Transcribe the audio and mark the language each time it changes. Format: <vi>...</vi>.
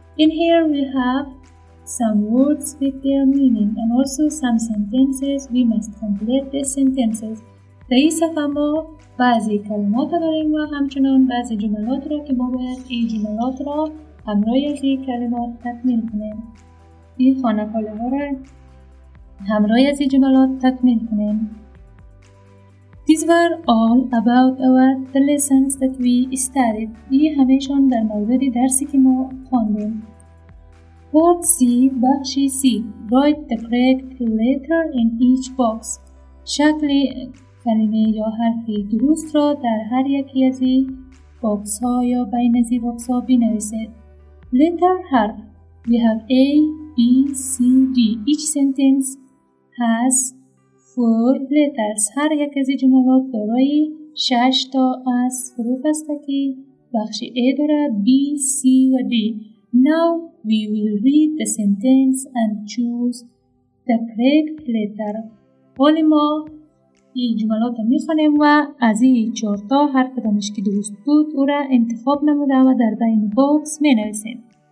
<en>In here we have some words with their meaning and also some sentences. We must complete the sentences.</en> <fa>در این صفحه ما بعضی کلمات داریم و همچنان بعضی جملات را که ما باید این جملات را همراه از این کلمات تکمیل کنیم. این خانه کاله ها را همراه از این جملات تکمیل کنیم.</fa> <en>These were all about the lessons that we studied.</en> <fa>این همهشان در مورد درسی که ما خواندیم.</fa> <en>Part C,</en> <fa>بخش C.</fa> <en>Write the correct letter in each box.</en> <fa>شکلی کلمه یا حرفی درست را در هر یکی از این باکس ها یا بین از این باکس ها بنویسید.</fa> <en>Letter حرف. We have A, B, C, D. Each sentence has 4 letters.</en> <fa>هر یک از این جملات دارای 6 تا از حروف است که بخش A داره B, C و D.</fa> <en>Now we will read the sentence and choose the correct letter.</en> <fa>حالی ما این جملات می خوانیم و از این 4 تا هر کدامش که درست بود او را انتخاب نموده و در بین باکس می نویسیم.</fa>